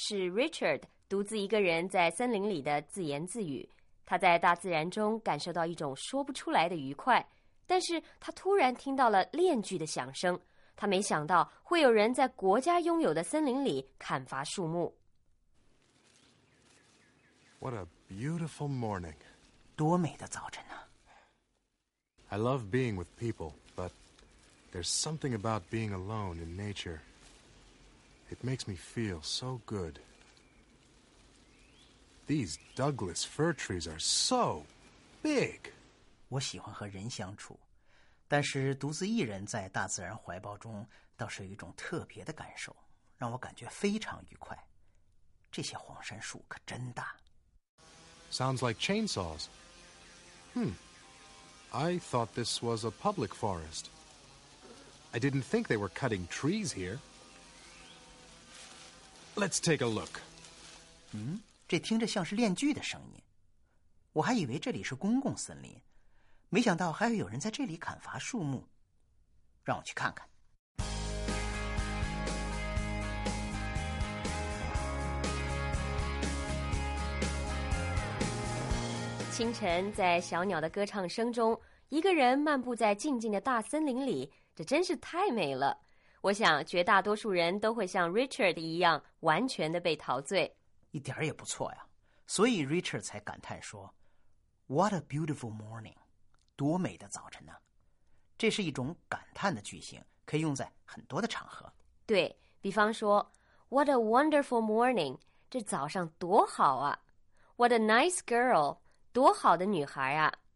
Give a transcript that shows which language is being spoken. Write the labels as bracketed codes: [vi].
[zh] Richard 独自一个人在森林里的自言自语，他在大自然中感受到一种说不出来的愉快，但是他突然听到了链锯的响声，他没想到会有人在国家拥有的森林里砍伐树木。 [en] What a beautiful morning. [zh] 多美的早晨啊。 [en] I love being with people, but there's something about being alone in nature. It makes me feel so good. These Douglas fir trees are so big. [zh] 我喜欢和人相处，但是独自一人在大自然怀抱中倒是有一种特别的感受，让我感觉非常愉快。这些黄杉树可真大。 [en] Sounds like chainsaws. I thought this was a public forest. I didn't think they were cutting trees here. Let's take a look. [zh] 这听着像是链锯的声音，我还以为这里是公共森林，没想到还会有人在这里砍伐树木。让我去看看。清晨，在小鸟的歌唱声中，一个人漫步在静静的大森林里，这真是太美了。我想，绝大多数人都会像 Richard 一样，完全的被陶醉。一点也不错呀，所以 Richard 才感叹说 [en] What a beautiful morning， [zh] 多美的早晨呢、啊、这是一种感叹的句型，可以用在很多的场合。对，比方说 [en] What a wonderful morning， [zh] 这早上多好啊。 [en] What a nice girl， [zh] 多好的女孩啊。